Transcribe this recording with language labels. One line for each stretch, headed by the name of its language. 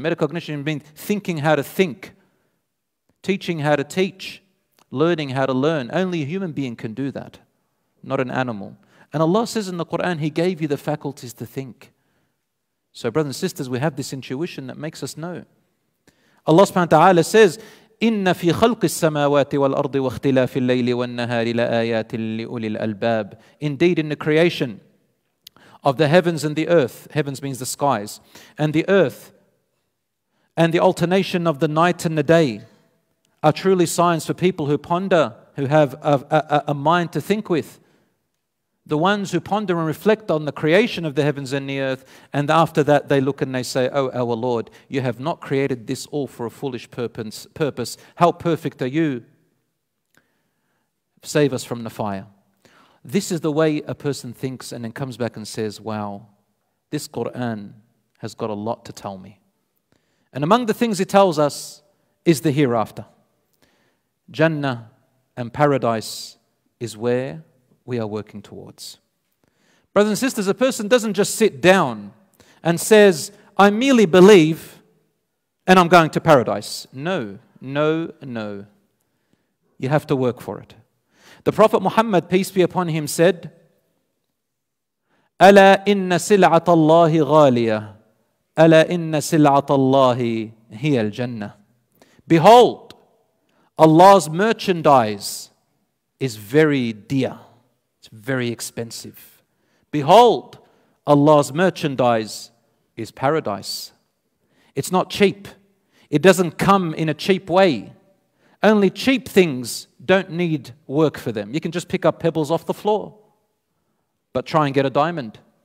English: Metacognition means thinking how to think, teaching how to teach, learning how to learn. Only a human being can do that, not an animal. And Allah says in the Quran, he gave you the faculties to think. So brothers and sisters, we have this intuition that makes us know. Allah subhanahu wa ta'ala says,
Arabic: إِنَّ فِي خَلْقِ السَّمَاوَاتِ وَالْأَرْضِ وَاخْتِلَافِ اللَّيْلِ وَالنَّهَارِ لَآيَاتٍ لِّأُولِي الْأَلْبَابِ.
English: Indeed, in the creation of the heavens and the earth, heavens means the skies, and the earth, and the alternation of the night and the day, are truly signs for people who ponder, who have a mind to think with. The ones who ponder and reflect on the creation of the heavens and the earth, and after that they look and they say, oh, our Lord, you have not created this all for a foolish purpose. How perfect are you? Save us from the fire. This is the way a person thinks and then comes back and says, wow, this Quran has got a lot to tell me. And among the things it tells us is the hereafter. Jannah and paradise is where we are working towards. Brothers and sisters, a person doesn't just sit down and says, I merely believe and I'm going to paradise. No, no, no. You have to work for it. The Prophet Muhammad, peace be upon him, said,
Arabic: أَلَا إِنَّ سِلْعَةَ اللَّهِ غَالِيَةً أَلَا إِنَّ سِلْعَةَ اللَّهِ هِيَ الْجَنَّةِ.
English: Behold, Allah's merchandise is very dear. It's very expensive. Behold, Allah's merchandise is paradise. It's not cheap. It doesn't come in a cheap way. Only cheap things don't need work for them. You can just pick up pebbles off the floor, but try and get a diamond.